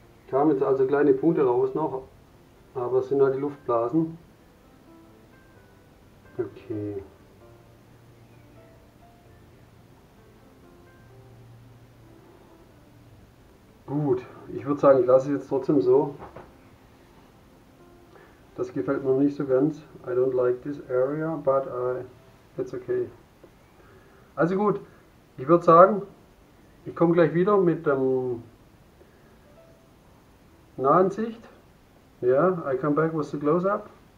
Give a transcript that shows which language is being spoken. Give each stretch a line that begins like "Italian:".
German: Kamen jetzt also kleine Punkte raus noch, aber es sind halt die Luftblasen. Okay. Gut, ich würde sagen, ich lasse es jetzt trotzdem so. Das gefällt mir nicht so ganz.
English: I don't like this area, but it's okay.
German: Also gut, ich würde sagen, ich komme gleich wieder mit der Nahansicht.
English: Ja, yeah, I come back with the close-up.